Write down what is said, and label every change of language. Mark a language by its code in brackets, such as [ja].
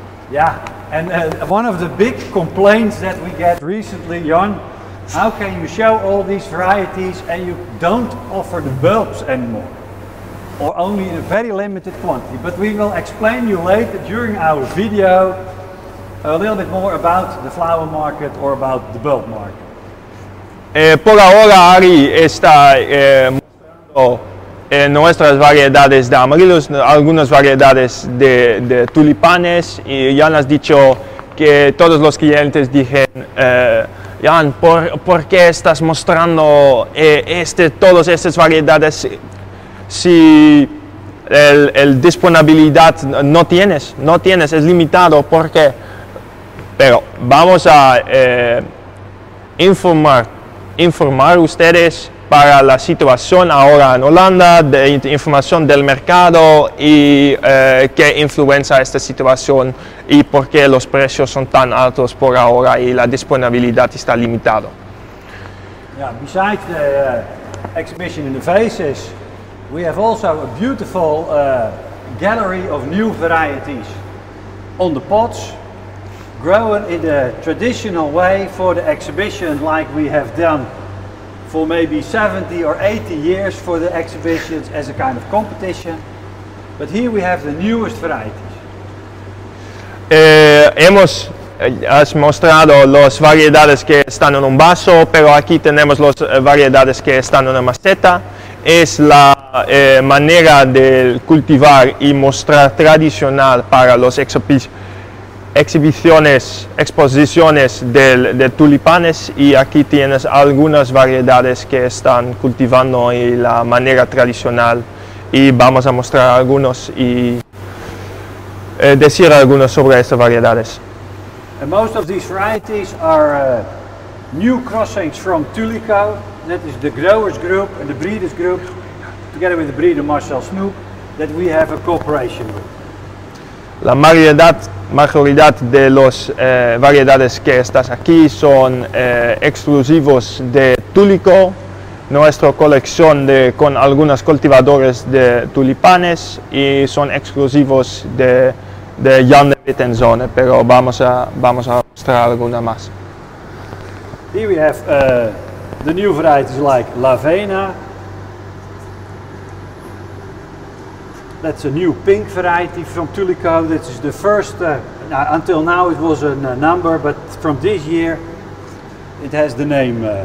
[en] Yeah, and one of the big complaints that we get recently, Jan, how can you show all these varieties and you don't offer the bulbs anymore? Or only in a very limited quantity. But we will explain you later during our video a little bit more about the flower market or about the bulb market. [es] Por ahora Ari está mostrando nuestras variedades de amarillos, algunas variedades de tulipanes, y ya has dicho que todos los clientes dijeron Jan, ¿por qué estás mostrando todas estas variedades si el disponibilidad no tienes, es limitado? ¿Por qué? Pero vamos a informar ustedes para la situación ahora en Holanda, de información del mercado y qué influencia esta situación y por qué los precios son tan altos por ahora y la disponibilidad está limitada. [en] Yeah, besides the exhibition in the vases, we have also a beautiful gallery of new varieties on the pots, grown in the traditional way for the exhibition, like we have done for maybe 70 or 80 years for the exhibitions as a kind of competition. But here we have the newest varieties. [es] Hemos has mostrado las variedades que están en un vaso, pero aquí tenemos las variedades que están en una maceta. Es la manera de cultivar y mostrar tradicional para las exposiciones de tulipanes, y aquí tienes algunas variedades que están cultivando y la manera tradicional, y vamos a mostrar algunos y decir algunos sobre estas variedades. [en] And most of these varieties are new crossings from Tulico, that is the growers group and the breeders group, together with the breeder Marcel Snoop, that we have a cooperation with. [es] La mayoridad de las variedades que estás aquí son exclusivos de Tulico, nuestra colección con algunos cultivadores de tulipanes, y son exclusivos de Jan de Wittenzone, pero vamos a mostrar alguna más. [en] Here we have the new varieties like Lavena. That's a new pink variety from Tulico. This is the first, until now it was a number, but from this year it has the name.